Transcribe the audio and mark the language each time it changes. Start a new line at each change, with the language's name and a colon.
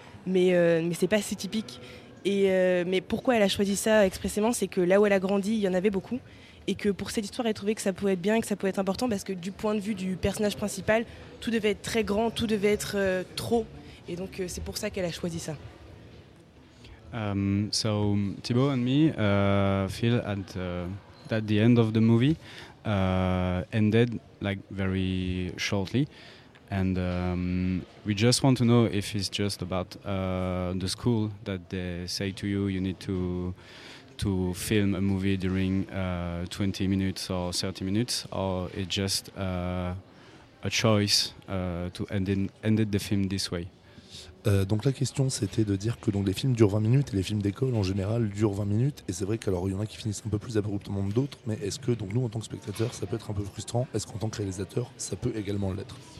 French: Mais c'est pas si typique. Mais pourquoi elle a choisi ça expressément, c'est que là où elle a grandi, il y en avait beaucoup, et que pour cette histoire, elle trouvait que ça pouvait être bien et que ça pouvait être important, parce que du point de vue du personnage principal, tout devait être très grand, tout devait être trop, et donc c'est pour ça qu'elle a choisi ça.
English: So Thibaut and me feel that the end of the movie ended like very shortly. And we just want to know if it's just about the school that they say to you need to film a movie during 20 minutes or 30 minutes, or it's just a choice to end the film this way.
French: Donc la question, c'était de dire que donc les films durent 20 minutes et les films d'école en général durent 20 minutes, et c'est vrai qu'alors il y en a qui finissent un peu plus abruptement que d'autres, mais est-ce que donc nous en tant que spectateurs ça peut être un peu frustrant, est-ce qu'en tant que réalisateur ça peut également l'être?